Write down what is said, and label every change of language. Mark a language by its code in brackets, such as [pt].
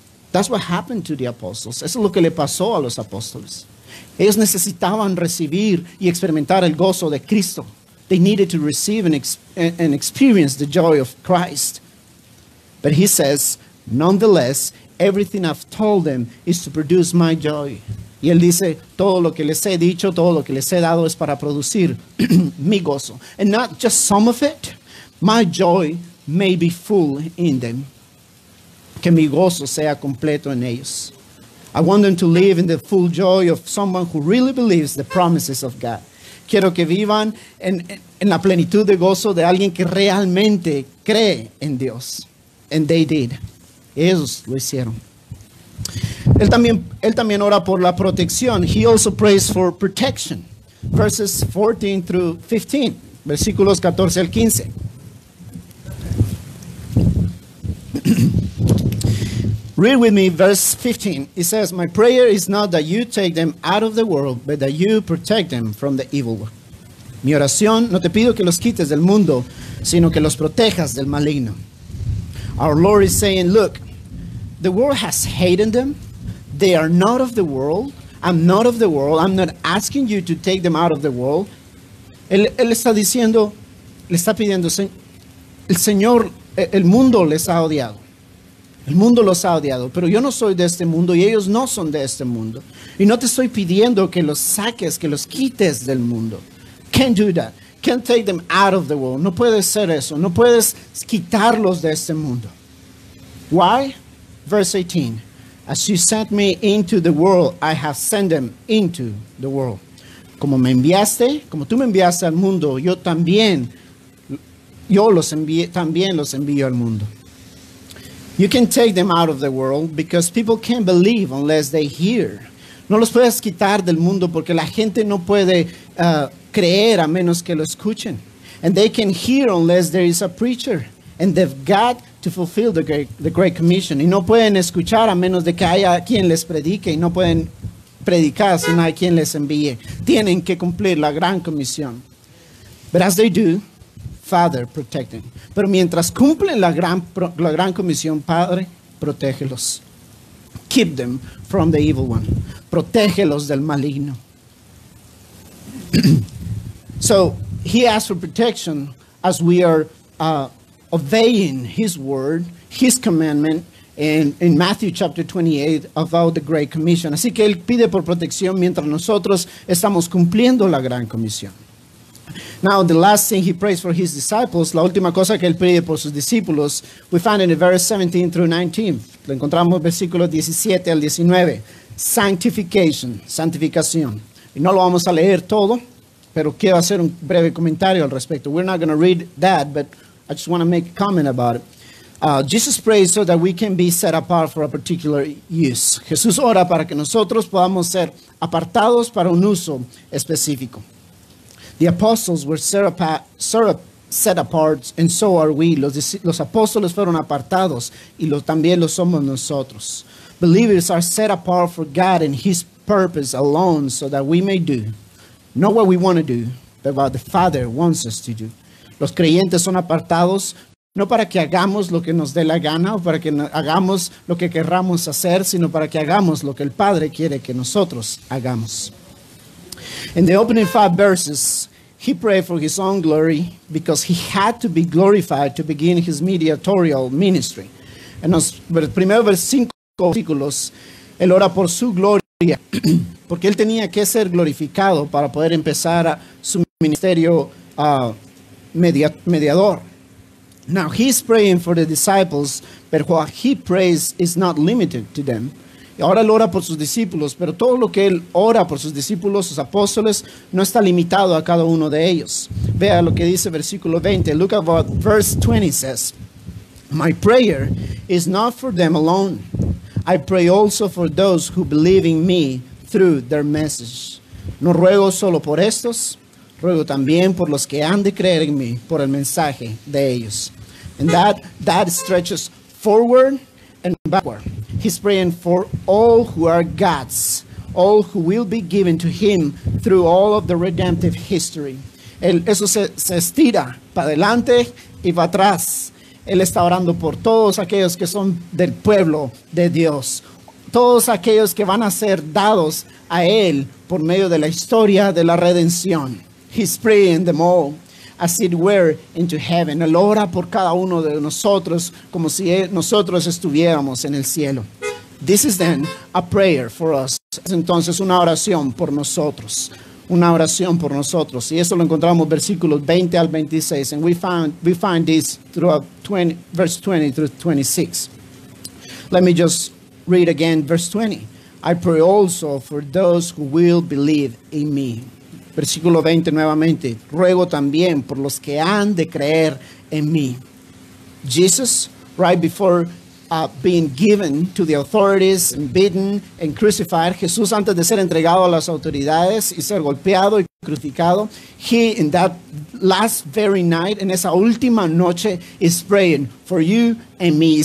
[en] That's what happened to the apostles. [es] Eso es lo que le pasó a los apóstoles. Ellos necesitaban recibir y experimentar el gozo de Cristo. [en] They needed to receive and experience the joy of Christ. But he says, nonetheless, everything I've told them is to produce my joy. [es] Y él dice, todo lo que les he dicho, todo lo que les he dado es para producir mi gozo. [en] And not just some of it, my joy may be full in them. [es] Que mi gozo sea completo en ellos. [en] I want them to live in the full joy of someone who really believes the promises of God. [es] Quiero que vivan en la plenitud de gozo de alguien que realmente cree en Dios. [en] And they did. [es] Ellos lo hicieron. Él también ora por la protección. [en] He also prays for protection. Verses 14 through 15. [es] Versículos 14 al 15. [en] Read with me verse 15. It says, my prayer is not that you take them out of the world, but that you protect them from the evil one. [es] Mi oración, no te pido que los quites del mundo, sino que los protejas del maligno. [en] Our Lord is saying, look, the world has hated them. They are not of the world. I'm not of the world. I'm not asking you to take them out of the world. [es] Él está diciendo, le está pidiendo, el Señor, el mundo les ha odiado. El mundo los ha odiado, pero yo no soy de este mundo y ellos no son de este mundo. Y no te estoy pidiendo que los saques, que los quites del mundo. [en] Can't do that. Can't take them out of the world. [es] No puedes hacer eso. No puedes quitarlos de este mundo. [en] Why? Verse 18. As you sent me into the world, I have sent them into the world. [es] Como me enviaste, como tú me enviaste al mundo, yo también los envío al mundo. [en] You can take them out of the world because people can't believe unless they hear. [es] No los puedes quitar del mundo porque la gente no puede creer a menos que lo escuchen. [en] And they can hear unless there is a preacher. And they've got to fulfill the great commission. [es] Y no pueden escuchar a menos de que haya quien les predique. Y no pueden predicar si no hay quien les envíe. Tienen que cumplir la gran comisión. [en] But as they do, Father, protect them. [es] Pero mientras cumplen la gran comisión, Padre, protégelos. [en] Keep them from the evil one. [es] Protégelos del maligno. [en] So he asks for protection as we are obeying his word, his commandment in Matthew chapter 28 about the Great Commission. [es] Así que él pide por protección mientras nosotros estamos cumpliendo la gran comisión. [en] Now the last thing he prays for his disciples, [es] la última cosa que él pide por sus discípulos, [en] we find in the verse 17 through 19. [es] Lo encontramos versículos 17 al 19. Sanctification, santificación. Y no lo vamos a leer todo, pero quiero hacer un breve comentario al respecto. [en] We're not going to read that, but I just want to make a comment about it. Jesus prays so that we can be set apart for a particular use. [es] Jesús ora para que nosotros podamos ser apartados para un uso específico. [en] The apostles were set apart, and so are we. [es] Los apóstoles fueron apartados, y también lo somos nosotros. [en] Believers are set apart for God and his purpose alone so that we may do not what we want to do, but what the Father wants us to do. [es] Los creyentes son apartados no para que hagamos lo que nos dé la gana o para que hagamos lo que querramos hacer, sino para que hagamos lo que el Padre quiere que nosotros hagamos. [en] In the opening five verses, He prayed for his own glory because he had to be glorified to begin his mediatorial ministry. [es] En los primeros cinco versículos, él ora por su gloria, porque él tenía que ser glorificado para poder empezar su ministerio mediador. [en] Now, he's praying for the disciples, but what he prays is not limited to them. [es] Ahora él ora por sus discípulos, pero todo lo que él ora por sus discípulos, sus apóstoles, no está limitado a cada uno de ellos. Vea lo que dice versículo 20. [en] Look at what verse 20 says. My prayer is not for them alone. I pray also for those who believe in me through their message. [es] No ruego solo por estos, ruego también por los que han de creer en mí, por el mensaje de ellos. [en] And that stretches forward and backward. He's praying for all who are God's, all who will be given to him through all of the redemptive history. [es] Eso se estira para adelante y para atrás. Él está orando por todos aquellos que son del pueblo de Dios. Todos aquellos que van a ser dados a él por medio de la historia de la redención. [en] He's praying them all, as it were, into heaven. [es] Él ora por cada uno de nosotros como si nosotros estuviéramos en el cielo. [en] This is then a prayer for us. [es] Es entonces una oración por nosotros. Una oración por nosotros. Y eso lo encontramos versículos 20 al 26. [en] And we find this throughout verse 20 through 26. Let me just read again verse 20. I pray also for those who will believe in me. [es] Versículo 20 nuevamente. Ruego también por los que han de creer en mí. [en] Jesus, right before being given to the authorities and beaten and crucified, [es] Jesús antes de ser entregado a las autoridades y ser golpeado y crucificado, [en] he, in that last very night, [es] en esa última noche, [en] is praying for you and me.